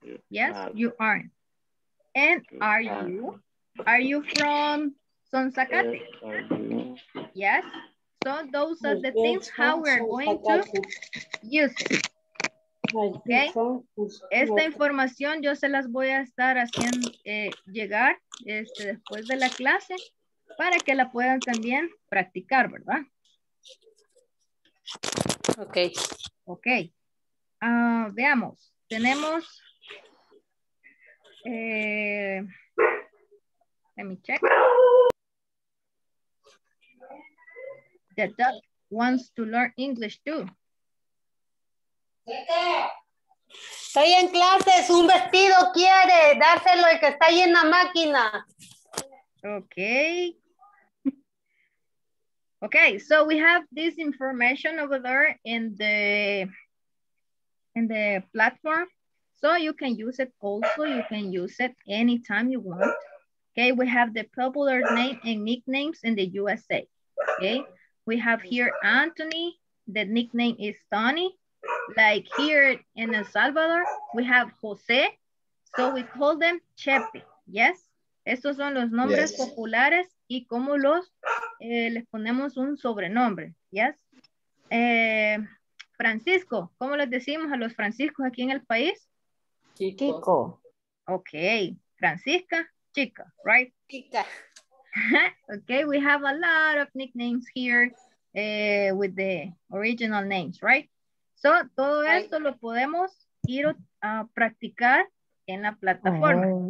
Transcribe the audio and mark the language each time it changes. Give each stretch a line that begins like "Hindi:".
English: Yes, you aren't. And are you? Are you from Sonsacate? Yes. So those are the things how we're going to use it. Okay.
Spanish: Esta información yo se las voy a estar haciendo llegar después de la clase para que la puedan también practicar, ¿verdad? Ok. Ok. Veamos, tenemos...
English: let me check. The duck wants to learn English too.
Spanish: Estoy en clases, un vestido quiere, dárselo el que está ahí en la máquina.
English: Okay. Okay, so we have this information over there in the platform. So you can use it also, you can use it anytime you want. Okay, we have the popular name and nicknames in the USA. Okay, we have here Anthony, the nickname is Tony. Like here in El Salvador, we have Jose. So we call them Chepe, yes?
Spanish: Estos son los nombres
English: yes.
Spanish: populares y como los, les ponemos un sobrenombre, yes? Francisco, ¿cómo les decimos a los Franciscos aquí en el país? Chico. Ok. Francisca, chica, right? Chica.
English: Ok, we have a lot of nicknames here with the original names, right? So, todo right.
Spanish: esto lo podemos ir a practicar en la plataforma.